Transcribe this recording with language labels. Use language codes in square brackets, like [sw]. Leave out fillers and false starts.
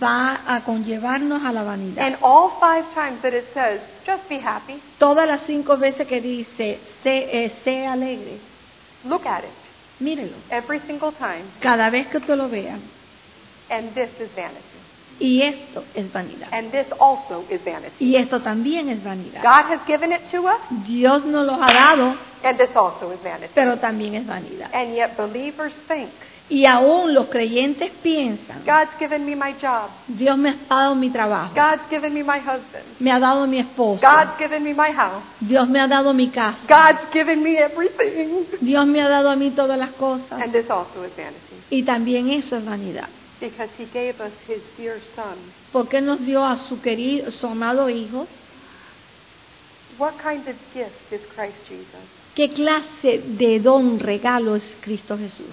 [es] Va a conllevarnos a la vanidad. [en] And all five times that it says, just be happy. [es] Todas las cinco veces que dice, sé alegre. [en] Look at it. [es] Mírelo. [en] Every single time. [es] Cada vez que usted lo vea. [en] And this is vanity. [es] Y esto es vanidad. [en] And this also is vanity. [es] Y esto también es vanidad. [en] God has given it to us. [es] Dios nos lo ha dado. [en] And this also is vanity. [es] Pero también es vanidad. [en] And yet believers think. [es] Y aún los creyentes piensan, [en] God's given me my job. [es] Dios me ha dado mi trabajo. [en] God's given me my husband. [es] Me ha dado mi esposo. [en] God's given me my house. [es] Dios me ha dado mi casa. [en] God's given me everything. [es] Dios me ha dado a mí todas las cosas. [en] And this also is vanity. [es] Y también eso es vanidad. [en] Because he gave us his dear son. [es] Porque nos dio a su amado hijo. [en] What kind of gift is Christ Jesus? [es] ¿Qué clase de don, regalo es Cristo Jesús?